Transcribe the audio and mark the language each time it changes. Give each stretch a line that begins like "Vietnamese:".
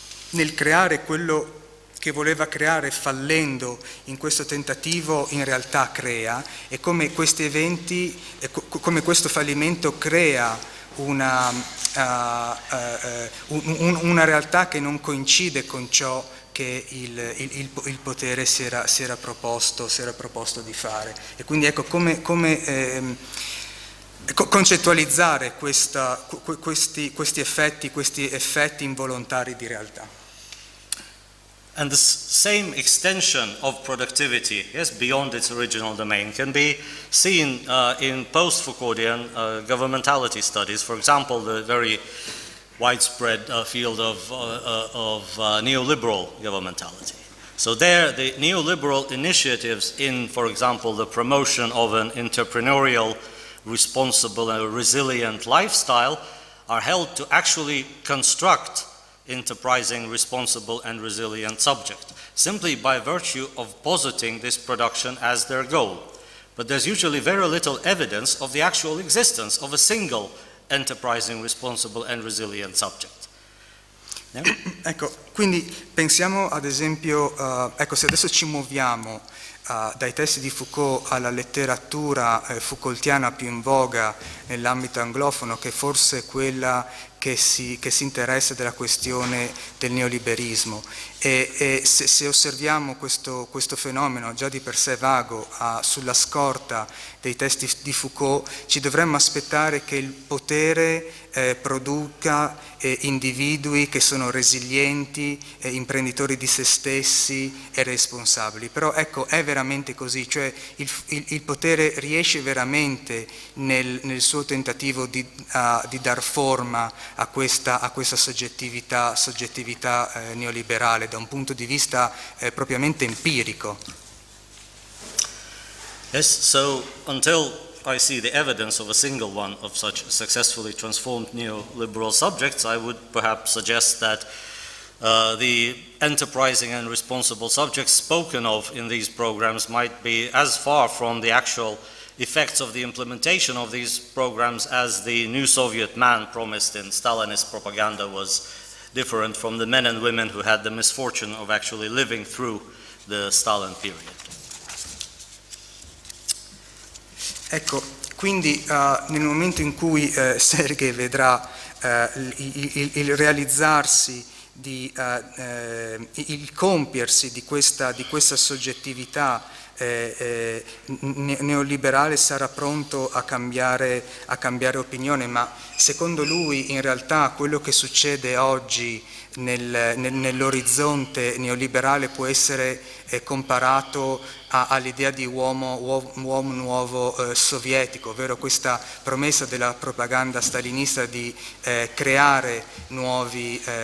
Italian: nel creare quello che voleva creare fallendo in questo tentativo in realtà crea, e come questi eventi, come questo fallimento crea una realtà che non coincide con ciò che il potere si era proposto di fare. E quindi ecco come concettualizzare questi effetti involontari di realtà.
English: And the same extension of productivity, yes, beyond its original domain, can be seen in post-Foucauldian governmentality studies. For example, the very widespread field of neoliberal governmentality. So there, the neoliberal initiatives in, for example, the promotion of an entrepreneurial, responsible and resilient lifestyle are held to actually construct enterprising, responsible and resilient subject, simply by virtue of positing this production as their goal. But there's usually very little evidence of the actual existence of a single enterprising, responsible and resilient subject. Yeah?
Italian: Ecco, quindi pensiamo ad esempio, ecco, se adesso ci muoviamo dai testi di Foucault alla letteratura foucaultiana più in voga nell'ambito anglofono, che forse è quella che si interessa della questione del neoliberismo. E se osserviamo questo fenomeno già di per sé vago sulla scorta dei testi di Foucault, ci dovremmo aspettare che il potere produca individui che sono resilienti, imprenditori di se stessi e responsabili. Però ecco, è veramente così, cioè il potere riesce veramente nel suo tentativo di dar forma a questa soggettività neoliberale da un punto di vista propriamente empirico.
English: Yes, so until I see the evidence of a single one of such successfully transformed neoliberal subjects, I would perhaps suggest that the enterprising and responsible subjects spoken of in these programs might be as far from the actual effects of the implementation of these programs as the new Soviet man promised in Stalinist propaganda was different from the men and women who had the misfortune of actually living through the Stalin period.
Italian: Ecco, quindi nel momento in cui Sergei vedrà il realizzarsi di il compiersi di questa soggettività neoliberale, sarà pronto a cambiare opinione, ma secondo lui in realtà quello che succede oggi nell'orizzonte neoliberale può essere comparato all'idea di uomo nuovo sovietico, ovvero questa promessa della propaganda stalinista di creare nuovi